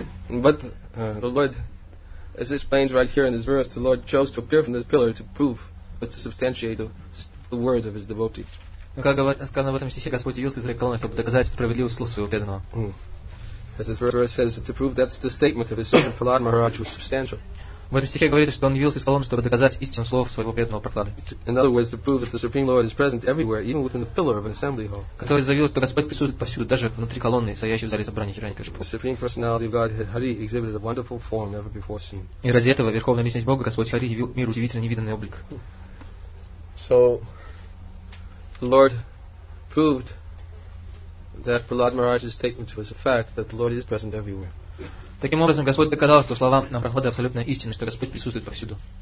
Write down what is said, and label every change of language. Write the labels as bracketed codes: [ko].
[en] But the Lord, as explained right here in this verse, the Lord chose to appear from this pillar to prove, but to substantiate the words of his devotee. [ru] Но как сказано в этом стихе, Господь явился из этой колонны, чтобы доказать справедливость слов своего преданного. [en] As this verse says, to prove that's the statement of his servant Prahlad Maharaj was substantial. [ru] В этом стихе говорится, что он явился из колонны, чтобы доказать истину слов своего преданного Прахлады. [en] In other words, to prove that the Supreme Lord is present everywhere, even within the pillar of an assembly hall. [ru] Который заявил, что Господь присутствует повсюду, даже внутри колонны, стоящей в зале собрания Хираньякашипу. [en] The Supreme Personality of Godhead Hari exhibited a wonderful form never before seen. [ru] И ради этого Верховная Личность Бога, Господь Хари, явил миру удивительно невиданный облик. [en] So, the Lord proved that Prahlad Maharaj's statement was a fact that the Lord is present everywhere. [ru] Таким образом, Господь доказал, что слова на Прахлады абсолютно истинны, что Господь присутствует повсюду.